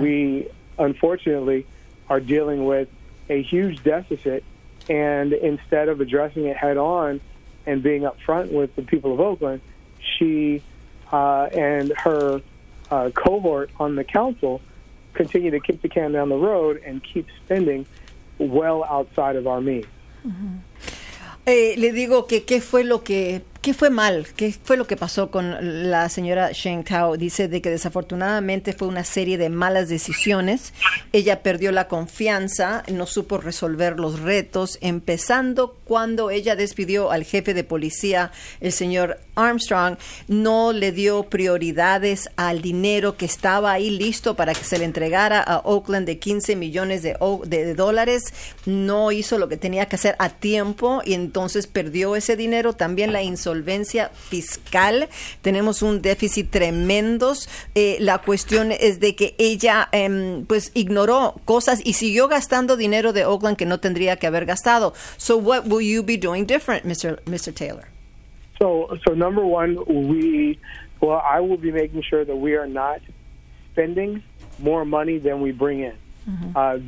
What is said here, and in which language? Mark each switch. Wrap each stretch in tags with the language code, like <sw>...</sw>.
<en>We, unfortunately, are dealing with a huge deficit, and instead of addressing it head on and being upfront with the people of Oakland, she and her cohort on the council continue to kick the can down the road and keep spending well outside of our means.</en> <es>Le digo que qué fue mal, qué fue lo que pasó con la señora Sheng Tao. Dice de que desafortunadamente fue una serie de malas decisiones. Ella perdió la confianza, no supo resolver los retos, empezando cuando ella despidió al jefe de policía, el señor Armstrong, no le dio prioridades al dinero que estaba ahí listo para que se le entregara a Oakland de 15 millones de dólares. No hizo lo que tenía que hacer a tiempo y entonces perdió ese dinero. También la insolvencia fiscal. Tenemos un déficit tremendo. La cuestión es de que ella pues ignoró cosas y siguió gastando dinero de Oakland que no tendría que haber gastado.</es> <en>So what will you be doing different, Mr. Taylor? So number one, I will be making sure that we are not spending more money than we bring in. Mm-hmm.</en>